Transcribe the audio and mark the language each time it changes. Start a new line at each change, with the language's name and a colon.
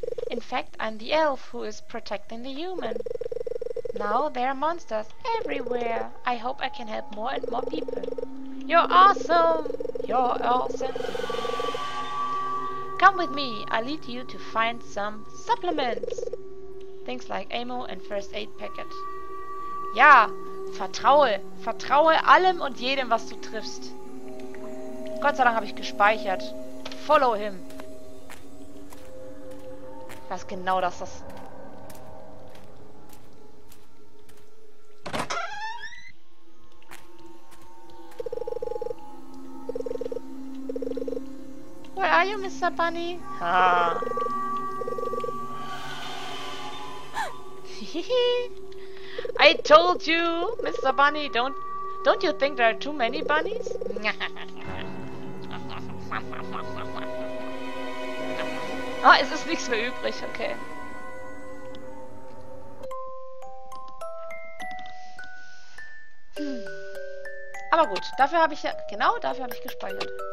English: In fact, I'm the elf who is protecting the human. Now there are monsters everywhere. I hope I can help more and more people. You're awesome. You're awesome. Come with me. I'll lead you to find some supplements. Things like ammo and first aid packet.
German: Ja, vertraue. Vertraue allem und jedem, was du triffst. Gott sei Dank habe ich gespeichert.
English: Follow him.
German: Ich weiß genau, dass das...
English: Where are you, Mr. Bunny? Ha. I told you, Mr. Bunny, don't you think there are too many bunnies?
German: Ah, es ist nichts mehr übrig, okay. Aber gut, dafür habe ich ja, genau dafür habe ich gespeichert.